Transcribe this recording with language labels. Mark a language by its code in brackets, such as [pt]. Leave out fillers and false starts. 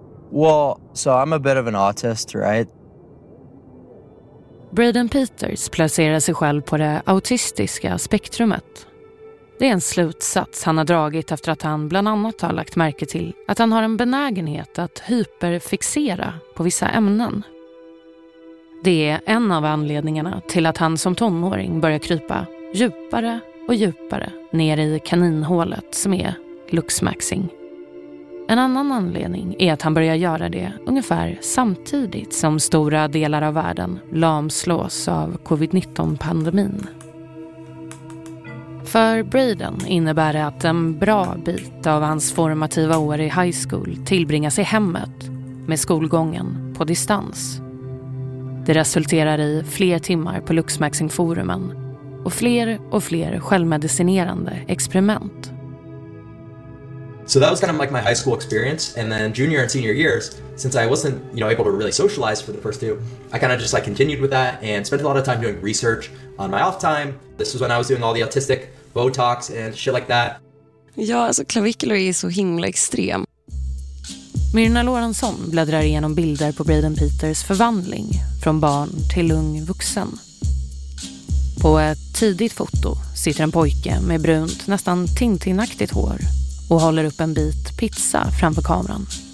[en] Well, so I'm a bit of an autist, right? [sv] Braden Peters placerar sig själv på det autistiska spektrumet. Det är en slutsats han har dragit efter att han bland annat har lagt märke till att han har en benägenhet att hyperfixera på vissa ämnen. Det är en av anledningarna till att han som tonåring börjar krypa djupare och djupare ner i kaninhålet som är looksmaxing. En annan anledning är att han börjar göra det ungefär samtidigt som stora delar av världen lamslås av covid-19-pandemin. För Braden innebär det att en bra bit av hans formativa år i high school tillbringas i hemmet med skolgången på distans. Det resulterar i fler timmar på Luxmaxing-forumen och fler självmedicinerande experiment. [en] So that was kind of like my high school experience, and then junior and senior years, since I wasn't, you know, able to really socialize for the first two, I kind of just like continued with that and spent a lot of time doing research on my off time. This was when I was doing all the autistic Botox and shit like that. [sv] Ja, alltså klavikulor är så himla extrem. Myrna Lorentzon bläddrar igenom bilder på Braden Peters förvandling från barn till ung vuxen. På ett tidigt foto sitter en pojke med brunt, nästan tintinaktigt hår och håller upp en bit pizza framför kameran.